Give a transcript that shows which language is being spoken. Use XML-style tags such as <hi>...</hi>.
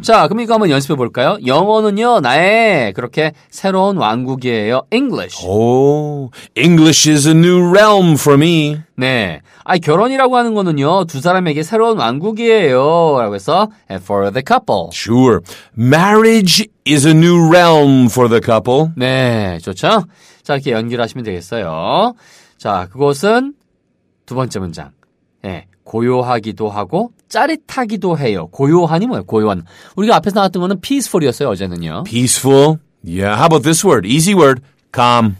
<ko>자, 그럼 이거 한번 연습해볼까요? 영어는요, 나의 그렇게 새로운 왕국이에요.</ko> <en>English. Oh, English is a new realm for me.</en> <ko>네. 아니, 결혼이라고 하는 거는요, 두 사람에게 새로운 왕국이에요. 라고 해서,</ko> <en>and for the couple. Sure. Marriage is a new realm for the couple.</en> <ko>네, 좋죠? 자, 이렇게 연결 하시면 되겠어요. 자, 그것은 두 번째 문장. 네, 고요하기도 하고, 짜릿하기도 해요. 고요하니 뭐예요? 고요한. 우리가 앞에서 나왔던 거는 peaceful이었어요, 어제는요.</ko> <en>Peaceful? Yeah, how about this word? Easy word. Calm.</en>